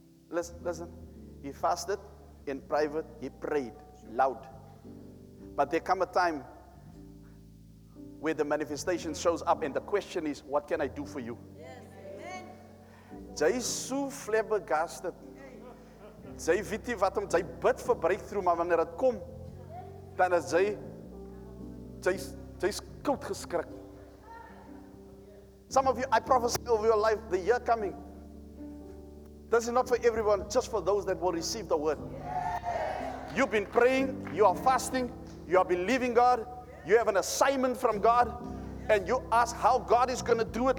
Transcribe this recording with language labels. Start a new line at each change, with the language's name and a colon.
English: When he asked, listen, he fasted in private, he prayed loud. But there come a time where the manifestation shows up and the question is, what can I do for you?
Afrikaans: Jy is so flabbergasted. Jy weet nie wat om, jy bid vir breakthrough, maar wanneer dit kom, dan is jy is koud geskrik.
English: Some of you, I prophesy over your life, the year coming. This is not for everyone, just for those that will receive the word. You've been praying, you are fasting, you are believing God, you have an assignment from God, and you ask how God is going to do it.